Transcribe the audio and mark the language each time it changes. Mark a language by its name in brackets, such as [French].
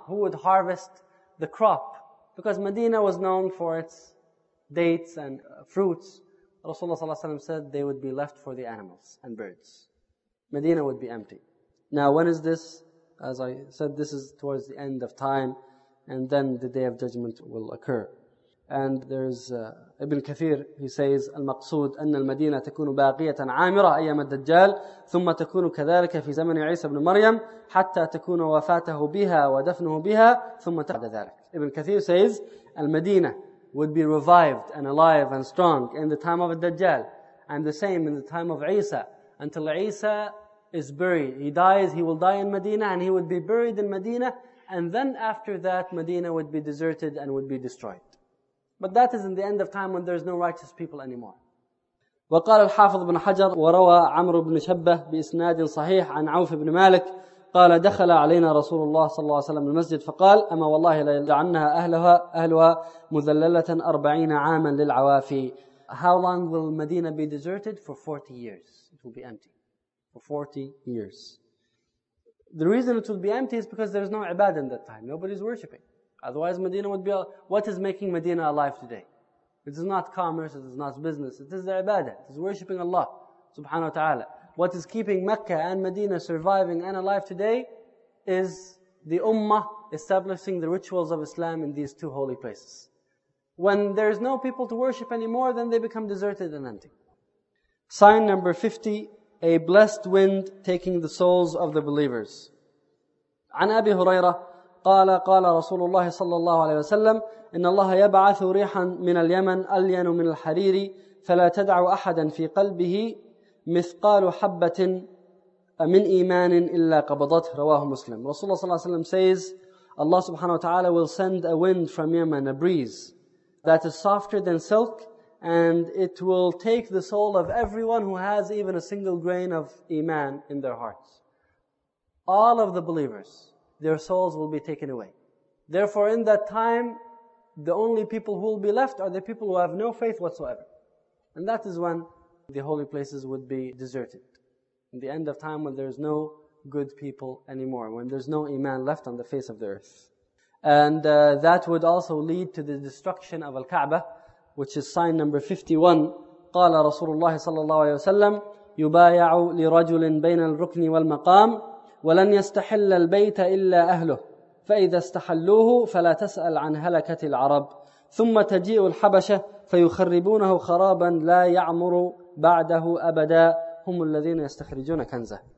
[English] Who would harvest the crop? Because Medina was known for its dates and fruits. Rasulullah ﷺ said they would be left for the animals and birds. Medina would be empty. Now when is this? As I said, this is towards the end of time, and then the Day of Judgment will occur. And there's Ibn Kathir, he says, [Arabic] المقصود أن المدينة تكون باقية عامرة أيام الدجال ثم تكون كذلك في زمن عيسى بن مريم حتى تكون وفاته بها ودفنه بها ثم بعد ذلك. [English] Ibn Kathir says, المدينة would be revived and alive and strong in the time of الدجال, and the same in the time of عيسى, until عيسى is buried. He dies, he will die in Medina, and he would be buried in Medina, and then after that Medina would be deserted and would be destroyed. But that is in the end of time when there is no righteous people anymore. [Arabic] وقال الحافظ بن حجر وروى عمرو بن شبه بإسناد صحيح عن عوف بن مالك قال دخل علينا رسول الله صلى الله عليه وسلم المسجد فقال أما والله لا يجعلنها أهلها مذللة 40 عاما للعوافي. [English] How long will Medina be deserted? For 40 years. It will be empty. For 40 years. The reason it will be empty is because there is no ibadah in that time. Nobody is worshipping. Otherwise Medina would be, what is making Medina alive today? It is not commerce, it is not business, it is the ibadah, it is worshipping Allah subhanahu wa ta'ala. What is keeping Mecca and Medina surviving and alive today is the ummah establishing the rituals of Islam in these two holy places. When there is no people to worship anymore, then they become deserted and empty. Sign number 50, a blessed wind taking the souls of the believers. [Arabic] عن أبي هريرة قال قال رسول الله صلى الله عليه وسلم إن الله يبعث ريحا من اليمن ألين من الحرير فلا تدع أحدا في قلبه مثقال حبة من إيمان إلا قبضته. رواه مسلم. رسول الله صلى الله عليه وسلم [English] says Allah subhanahu wa ta'ala will send a wind from Yemen, a breeze that is softer than silk, and it will take the soul of everyone who has even a single grain of Iman in their hearts. All of the believers, their souls will be taken away. Therefore, in that time, the only people who will be left are the people who have no faith whatsoever. And that is when the holy places would be deserted. In the end of time, when there is no good people anymore, when there is no iman left on the face of the earth. And that would also lead to the destruction of Al-Kaaba, which is sign number 51. [Arabic] قال رسول الله صلى الله عليه وسلم يبايع لرجل بين الركن والمقام ولن يستحل البيت إلا أهله فإذا استحلوه فلا تسأل عن هلكة العرب ثم تجيء الحبشة فيخربونه خرابا لا يعمر بعده أبدا هم الذين يستخرجون كنزه.